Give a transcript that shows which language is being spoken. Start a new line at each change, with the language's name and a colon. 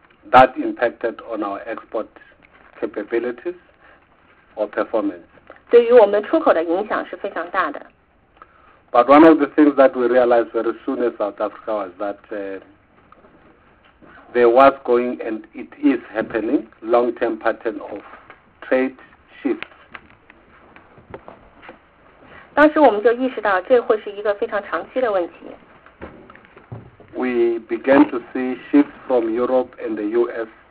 English: That impacted on our export capabilities or performance.
Chinese: 对于我们出口的影响是非常大的。
English: But one of the things that we realized very soon in South Africa was that there was going, and it is happening, long-term pattern of trade shifts.
Chinese: 当时我们就意识到，这会是一个非常长期的问题。
English: We began to see shifts from Europe and the U.S.